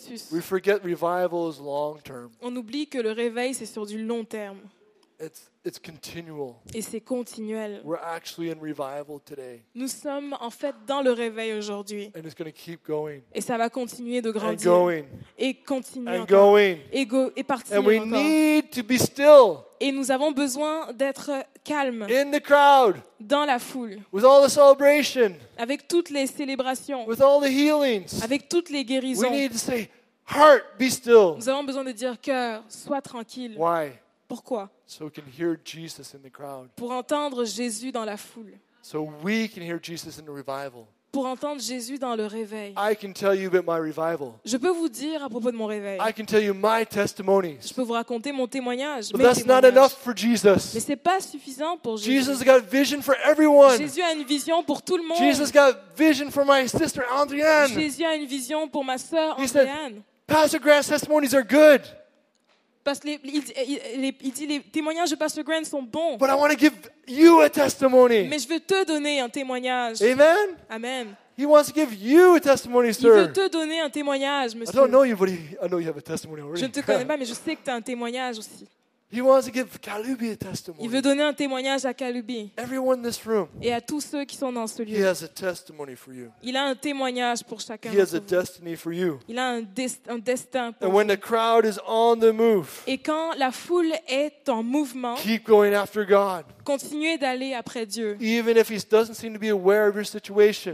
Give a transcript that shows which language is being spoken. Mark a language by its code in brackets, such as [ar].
[en] We forget revival is long term. [fr] On oublie que le réveil c'est sur du long terme. [en] It's continual. [fr] Et c'est continuel. [en] We're actually in revival today. [fr] Nous sommes en fait dans le réveil aujourd'hui. [en] And it's going to keep going. [fr] Et ça va continuer de grandir. [en] And going. [fr] Et continuer. [en] And going. [fr] Et partir. [en] And we need to be still. [fr] Et nous avons besoin d'être calmes. [en] In the crowd. [fr] Dans la foule. [en] With all the celebration. [fr] Avec toutes les célébrations. [en] With all the healings. [fr] Avec toutes les guérisons. [en] We need to say, heart, be still. [fr] Nous avons besoin de dire cœur, sois tranquille. [en] Why? [fr] Pourquoi? [en] So we can hear Jesus in the crowd. [fr] Pour entendre Jésus dans la foule. [en] So we can hear Jesus in the revival. [fr] Pour entendre Jésus dans le réveil. [en] I can tell you about my revival. [fr] Je peux vous dire à propos de mon réveil. [en] I can tell you my testimonies. [fr] Je peux vous raconter mon témoignage. [en] But that's not enough for Jesus. [fr] Mais c'est pas suffisant pour Jésus. [en] Jesus got vision for everyone. [fr] Jésus a une vision pour tout le monde. [en] Jesus got vision for my sister Andrienne. [fr] Jésus a une vision pour ma sœur Andrienne. [en] He said, Pastor Grant's testimonies are good. [fr] Parce que il dit les témoignages de Pastor Grant sont bons. [en] But I want to give you a testimony. [fr] Mais je veux te donner un témoignage. [en] Amen. [fr] Amen. [en] He wants to give you a testimony, sir. [fr] Il veut te donner un témoignage, monsieur. [en] I don't know you, but I know you have a testimony already. [fr] Je ne te connais pas, mais je sais que tu as un témoignage aussi. [en] He wants to give Kalubi a testimony. [fr] Il veut donner un témoignage à Kalubi. [en] Everyone in this room. [fr] Et à tous ceux qui sont dans ce lieu. [en] He has a testimony for you. [fr] Il a un témoignage pour chacun. [en] He has a destiny for you. [fr] Il a un destin pour vous. [en] And when the crowd is on the move. [fr] Et quand la foule est en mouvement. [en] Keep going after God. [fr] Continuez d'aller après Dieu. [en] Even if he doesn't seem to be aware of your situation.